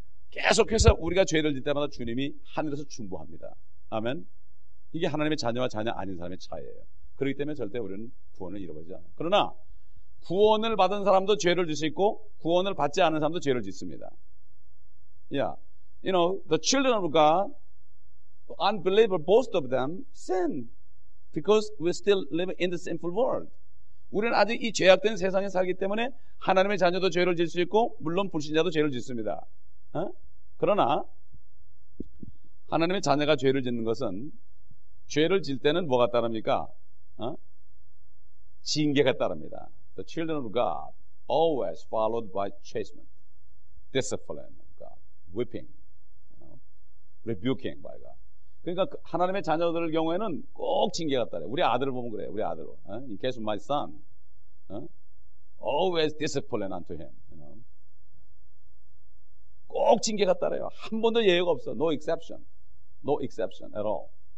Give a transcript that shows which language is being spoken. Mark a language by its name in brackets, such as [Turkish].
[Korean] 계속해서 우리가 죄를 짓 때마다 주님이 하늘에서 중보합니다. 아멘. 이게 하나님의 자녀와 자녀 아닌 사람의 차이예요. 그렇기 때문에 절대 우리는 구원을 잃어버리지 않아요. 그러나 구원을 받은 사람도 죄를 짓고 있고 구원을 받지 않은 사람도 죄를 짓습니다. [English] Yeah, you know, the children of God, unbeliever, both of them sin. Because we still live in the sinful world. [Korean] 우리는 아직 이 죄악된 세상에 살기 때문에 하나님의 자녀도 죄를 질 수 있고 물론 불신자도 죄를 짓습니다. 어? 그러나 하나님의 자녀가 죄를 짓는 것은 죄를 질 때는 뭐가 따릅니까? 징계가 따릅니다. [English] The children of God always followed by chastisement, discipline of God, whipping, you know, rebuking by God. [Korean] 그러니까 하나님의 자녀들 경우에는 꼭 징계가 따라요. 우리 아들을 보면 그래요. 우리 아들로. [English] In case of my son, always discipline unto him. You know? [Korean] 꼭 징계가 따라요. 한 번도 예외가 없어. [English] No exception. No exception at all.